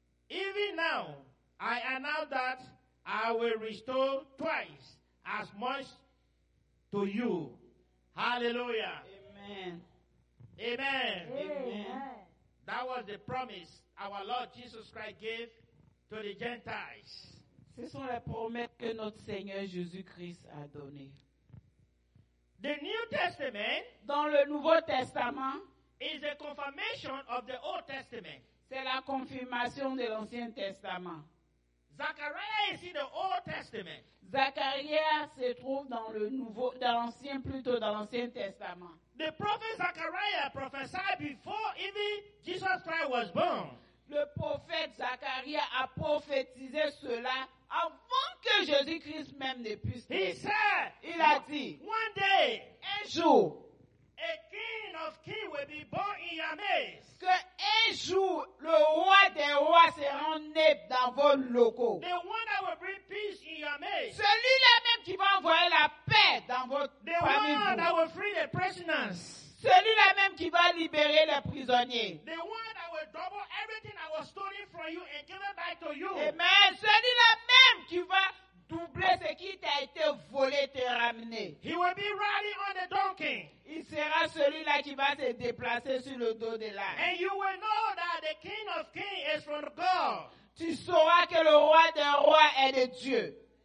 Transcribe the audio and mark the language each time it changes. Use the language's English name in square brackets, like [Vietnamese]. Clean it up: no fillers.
[English] Even now, I announce that I will restore twice as much to you. Hallelujah. Amen. Amen. Amen. That was the promise our Lord Jesus Christ gave to the Gentiles. [French] Ce sont les promesses que notre Seigneur Jésus-Christ a données. [English] The New Testament, [French] dans le Nouveau Testament, [English] is a confirmation of the Old Testament. [French] C'est la confirmation de l'Ancien Testament. [English] Zachariah is in the Old Testament. [French] Zachariah se trouve dans le Nouveau, dans l'Ancien, plutôt dans l'Ancien Testament. [English] The prophet Zachariah prophesied before even Jesus Christ was born. [French] Le prophète Zacharie a prophétisé cela avant que Jésus-Christ même ne puisse naître. [English] He said, [French] il a dit, [English] one day, [French] un jour, [English] a king of kings will be born in your midst. [French] Que un jour, le roi des rois sera né dans vos locaux. [English] The one that will bring peace in your midst. [French] Celui-là même qui va envoyer la paix dans votre [English] the [French] famille. [English] The one that will free the prisoners. [French] Celui-là même qui va libérer les prisonniers. [English] The one that will double everything I was stolen from you and give it back to you. Amen. [French] Celui-là même qui va doubler ce qui t'a été volé et te ramener. [English] He will be riding on the donkey. [French] Il sera celui-là qui va se déplacer sur le dos de l'âne. [English] And you will know that the King of Kings is from God. [French] Tu sauras que le roi des rois est de Dieu.